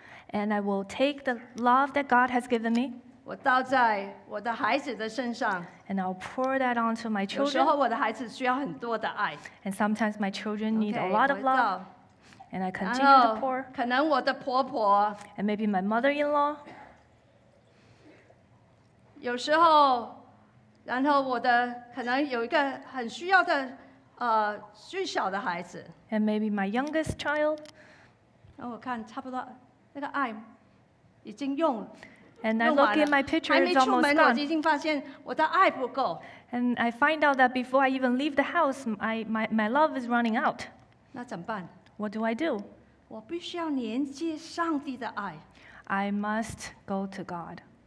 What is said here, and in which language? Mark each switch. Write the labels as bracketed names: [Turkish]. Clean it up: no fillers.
[English] And I will take the love that God has given me. [Chinese] 我倒在我的孩子的身上 [English] and I'll pour that onto my children. [Chinese] 有时候我的孩子需要很多的爱 [English] and sometimes my children need okay, a lot of love. And I continue to pour. [Chinese] 可能我的婆婆 [English] and maybe my mother-in-law. [Chinese] 有时候，然后我的可能有一个很需要的，最小的孩子 [English] and maybe my youngest child. [Chinese] 那我看差不多，那个爱已经用。 [English] And I look at my picture, it's almost gone. And I find out that before I even leave the house, my love is running out. What do I do? I must go to God.